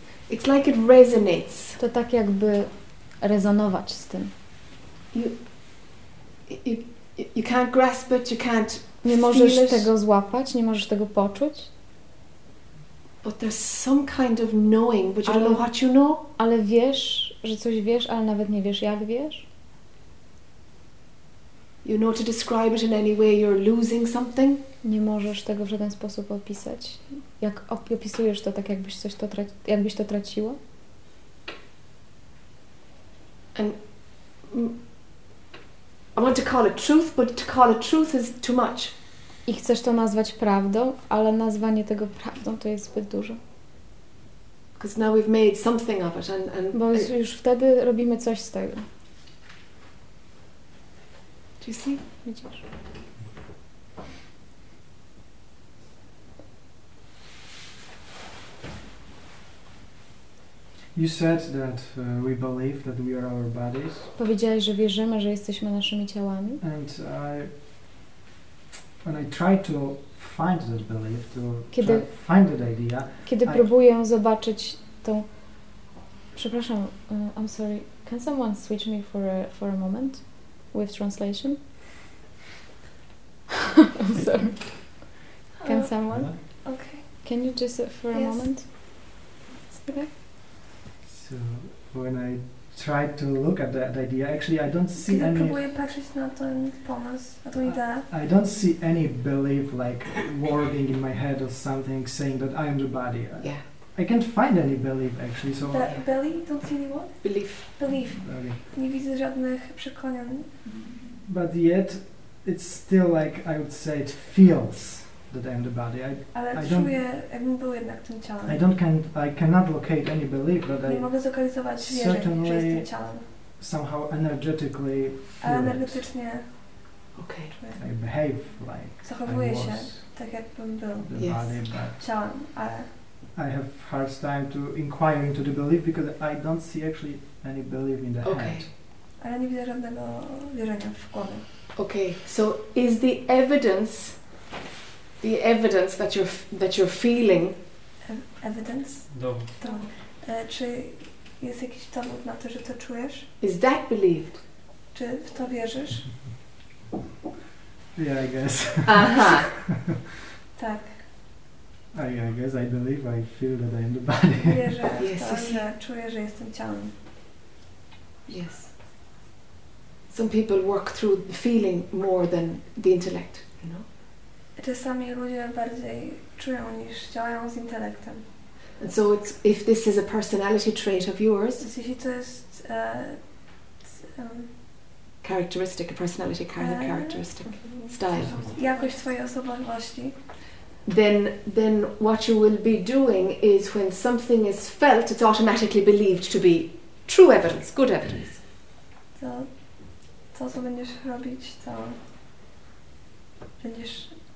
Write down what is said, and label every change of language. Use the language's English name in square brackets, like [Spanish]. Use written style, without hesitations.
[English] It's like it resonates. [Polish] To tak jakby rezonować z tym. [English] You can't grasp it, you can't. [Polish] Nie możesz tego złapać, nie możesz tego poczuć. [English] But there's some kind of knowing, but you don't know what you know. [Polish] Ale wiesz, że coś wiesz, ale nawet nie wiesz, jak wiesz. [English] You know to describe it in any way, you're losing something. [Polish] Nie możesz tego w żaden sposób opisać. Jak opisujesz to, tak jakbyś coś to jakbyś to traciło. [English] And I want to call it truth, but to call it truth is too much. [Polish] I chcesz to nazwać prawdą, ale nazwanie tego prawdą to jest zbyt dużo. [English] Because now we've made something of it, and [Polish] bo już wtedy robimy coś z tego. [English] Do you see? [Polish] Widzisz? [English] You said that we believe that we are our bodies. [Polish] Powiedziałeś, że wierzymy, że jesteśmy naszymi ciałami. [English] And I try to find that belief, find that idea. [Polish] Kiedy próbuję zobaczyć tą. Przepraszam, [English] I'm sorry. Can someone switch me for a moment with translation? I'm sorry. Can someone? Okay. Can you just for a moment? So when I try to look at that idea, actually I don't see any. [Polish] Kiedy próbuję patrzeć na ten pomysł, na tę ideę. [English] I don't see any belief like wording in my head or something saying that I am the body. Yeah. I can't find any belief actually. So. That belief? Don't see any what? Belief. Belief. [Polish] Nie widzę żadnych przekonań. [English] But yet, it's still like I would say it feels. That I am the body. I cannot locate any belief, but [Polish] nie mogę zlokalizować wierzę, że jestem ciałem. [English] Somehow energetically. [Polish] Ale energetycznie. [English] Okay. I behave like. [Polish] Zachowuję się tak, jakbym był. [English] The body, [Polish] ciałem, ale. [English] I have hard time to inquire into the belief because I don't see actually any belief in the okay. head. [Polish] Ale nie widzę żadnego wierzenia w głowie. [English] Okay. So is the evidence. The evidence that you're feeling. Evidence? [Polish] Dowód. Czy jest jakiś dowód na to, że to czujesz? [English] Is that believed? [Polish] Czy w to wierzysz? [English] Yeah, I guess. Aha. [Polish] Tak. [English] I guess I believe, I feel that I am the body. [Polish] Wierzę w to, że czuję, że jestem ciałem. [English] Yes. Some people work through feeling more than the intellect, you know? [Polish] Czasami ludzie bardziej czują niż działają z intelektem. [English] And so it's, if this is a personality trait of yours. [Polish] Jeśli to jest [English] characteristic, a personality characteristic, style. [Polish] Jakość twojej osobowości. [English] Then what you will be doing is when something is felt, it's automatically believed to be true evidence, good evidence. [Polish] To co będziesz robić, to będziesz.